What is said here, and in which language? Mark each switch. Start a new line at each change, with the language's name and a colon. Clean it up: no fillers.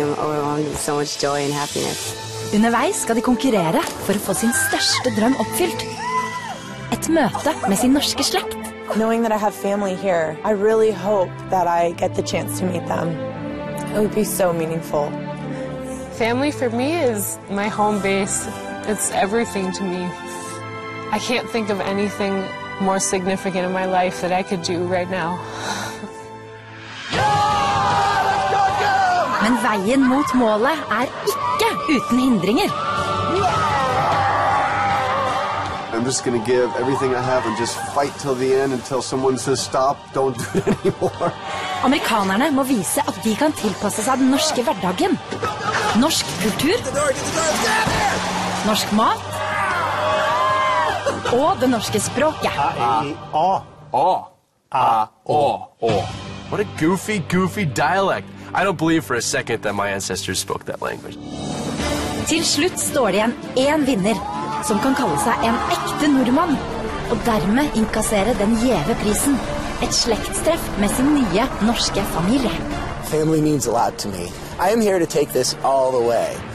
English: I'm overwhelmed with so much joy and happiness.
Norwegian: Underveis skal de konkurrere for å få sin største drøm oppfylt. Et møte med sin norske slekt.
English: Knowing that I have family here, I really hope that I get the chance to meet them. It would be so meaningful. Family for me is my home base. It's everything to me. I can't think of anything more significant in my life that I could do right now.
Norwegian: Men veien mot målet ikke uten hindringer.
English: I'm just going to give everything I have and just fight till the end until someone says stop, don't do it anymore.
Norwegian: Amerikanerne må vise at de kan tilpasse seg den norske hverdagen. Norsk kultur, norsk mat og det norske språket. A-A-A-A-A-A.
English: What a goofy, goofy dialect. I don't believe for a second that my ancestors spoke that language.
Norwegian: Til slutt står det igjen en vinner som kan kalle seg en ekte nordmann og dermed inkassere den gjeve prisen. Et slektstreff med sin nye norske familie.
English: Family means a lot to me. I am here to take this all the way.